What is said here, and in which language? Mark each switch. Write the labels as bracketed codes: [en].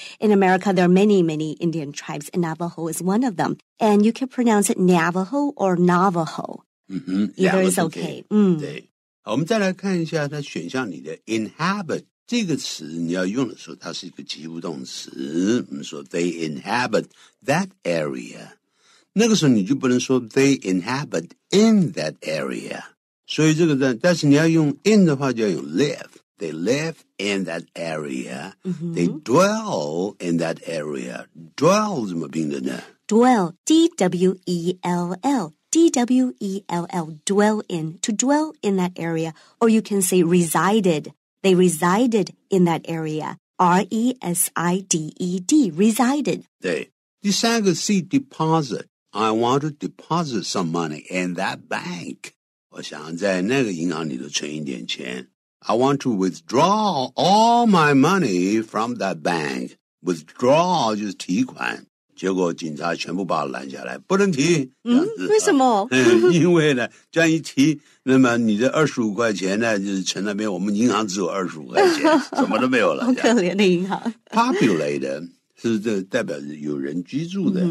[en] In America, there are many, many Indian tribes, and Navajo is one of them. And you can pronounce it Navajo or Navajo.、 Mm-hmm. Either is okay. [zh] 对，好，我们再来看一下它选项里的 inhabit 这个词，你要用的时候，它是一个及物动词。我们说 [en] they inhabit that area. [zh] 那个时候你就不能说 [en] they inhabit in that area. [zh] 所以这个呢，但是你要用 in 的话就要用 live. [en] They live in that area.、 Mm-hmm. They dwell in that area. Dwell [zh] 怎么拼的呢？ [en] Dwell, D-W-E-L-L. D-W-E-L-L, dwell in. To dwell in that area. Or you can say resided. They resided in that area. R-E-S-I-D-E-D, resided. [zh] 对，第三个 C, deposit. [en] I want to deposit some money in that bank. [zh] 我想在那个银行里头存一点钱。 [en] I want to withdraw all my money from that bank. [zh] Withdraw 就是提款。结果警察全部把我拦下来，不能提。为什么？因为呢，这样一提，那么你的25块钱呢，就是存那边我们银行只有25块钱，什么都没有了。好可怜的银行。 Populated 是这代表有人居住的。